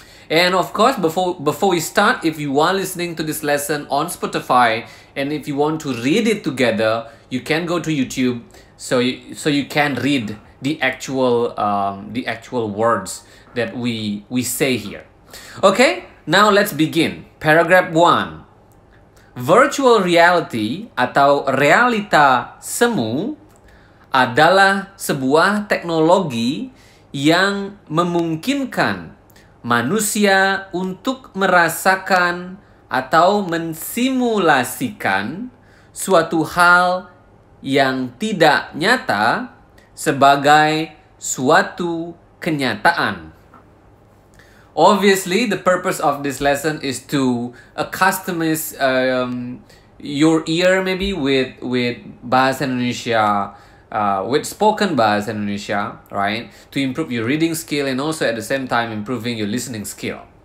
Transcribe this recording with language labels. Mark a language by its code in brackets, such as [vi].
[en] And of course, before we start, if you are listening to this lesson on Spotify, and if you want to read it together, you can go to YouTube so you can read the actual words that we say here. Okay, now let's begin. Paragraph 1. [id] Virtual reality atau realita semu adalah sebuah teknologi yang memungkinkan manusia untuk merasakan atau mensimulasikan suatu hal yang tidak nyata sebagai suatu kenyataan. [en] Obviously, the purpose of this lesson is to customize your ear maybe with Bahasa Indonesia, with spoken Bahasa Indonesia, right? To improve your reading skill and also at the same time improving your listening skill.